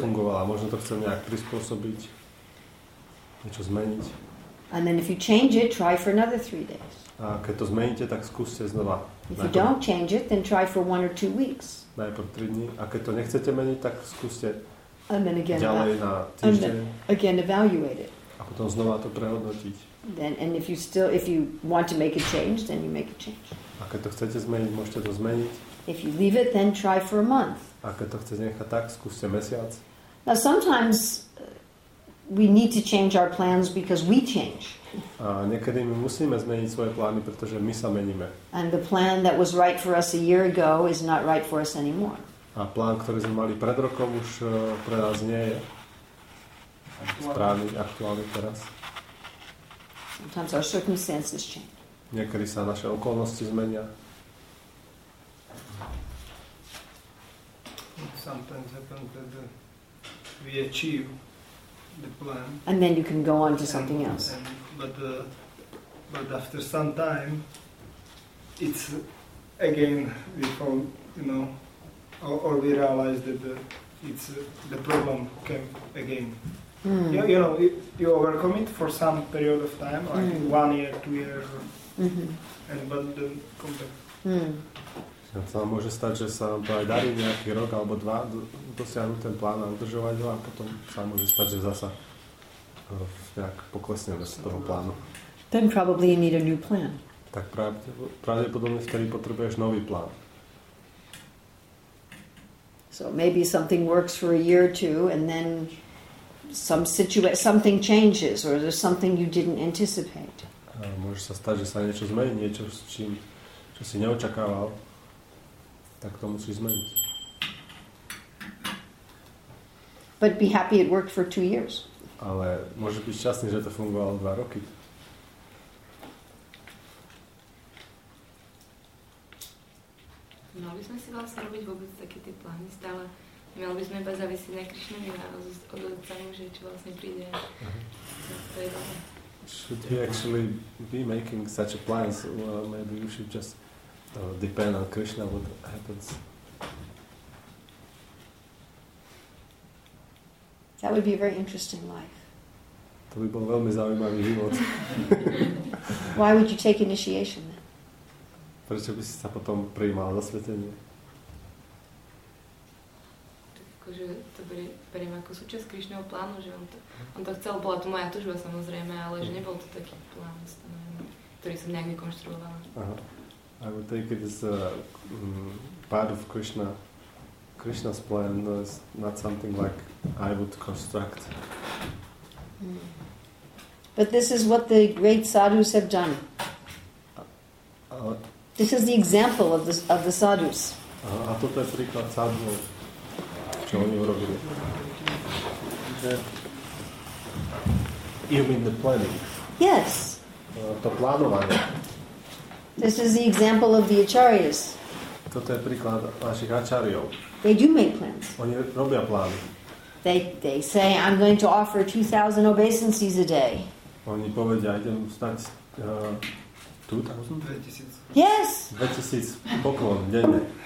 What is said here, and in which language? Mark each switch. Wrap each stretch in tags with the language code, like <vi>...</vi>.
<sk>Nefungovala, možno to chcem nejak prispôsobiť, niečo zmeniť.</sk> <en>And then if you change it, try for another 3 days.</en> <sk>A keď to zmeníte, tak skúste znova.</sk> <en>If you don't change it, then try for 1 or 2 weeks.</en> <sk>Najprv 3 dni, a keď to nechcete meniť, tak skúste</sk> <en>again,</en> <sk>ďalej na týždeň.</sk> <en>Again evaluate it.</en> <sk>A potom znova to prehodnotiť.</sk> <en>Then and if you want to make a change, then you make a change.</en> <sk>A keď to chcete zmeniť, môžete to zmeniť.</sk> <en>If you leave it, then try for a month.</en> <sk>A keď to chcete nechať tak, skúste mesiac.</sk> <en>Now sometimes we need to change our plans because we change.</en> <sk>A niekedy my musíme zmeniť svoje plány, pretože my sa meníme.</sk> <en>And the plan that was right for us a year ago is not right for us anymore.</en> <sk>A plán, ktorý sme mali pred rokom, už pre nás nie je správny, aktuálny teraz.</sk> <en>Sometimes our circumstances change.</en> <sk>Niekedy sa naše okolnosti zmenia.</sk> <en>something happens that we achieve the plan. And then you can go on to something else. But after some time, it's again we fall, you know, or we realize that it's the problem came again. Mm. You know, you overcome it for some period of time, like 1 year, 2 years, and but then come back.</en> <sk>A sa môže stať, že sa vám to aj darí nejaký rok alebo dva dosiahnuť ten plán a udržovať ho a potom sa môže stať, že zasa nejak poklesneme z toho plánu.</sk> <en>Then probably you need a new plan.</en> <sk>Tak pravdepodobne vtedy potrebuješ nový plán.</sk> <en>So maybe something works for a year or two and then something changes or there's something you didn't anticipate.</en> <sk>A môže sa stať, že sa niečo zmení, niečo s čím, čo si neočakával. Tak to musí zmeniť.</sk> <en>But be happy it worked for 2 years.</en> <sk>Ale môže byť šťastný, že to fungovalo 2 roky. Mali by sme si vlastne robiť vôbec také tie plány stále? Mali by sme iba závisiť na Krišnovi a od toho, že čo vlastne príde?</sk> <en>Should we actually be making such a plan? Well, maybe we should just depend on Krishna what happens. That would be a very interesting life.</en> <sk>To by bol veľmi zaujímavý život.</sk> <en>Why would you take initiation then?</en> <sk>Prečo by si sa potom prijímal zasvetenie? Takže to beriem ako súčasť Krišnovho plánu, že on to chcel, bola to moja túžba samozrejme, ale že nebol to taký plán stanovený, ktorý som nejak nekonštruovala.</sk> <en>I would take it as part of Krishna's plan, not something like I would construct. But this is what the great sadhus have done. This is the example of the sadhus.</en> <sk>A toto je príklad sadhu, čo oni urobili.</sk> <en>You mean the planning? Yes.</en> <sk>To plánovanie.</sk> <en>This is the example of the acharyas.</en> <sk>Toto je príklad našich acharyov.</sk> <en>They do make plans.</en> <sk>Oni robia plány.</sk> <en>They say, I'm going to offer 2,000 obeisances a day.</en> <sk>Oni povedia, idem vstať 2,000?</sk> <en>2,000. Yes!</en> <sk>2,000 poklon denne.</sk>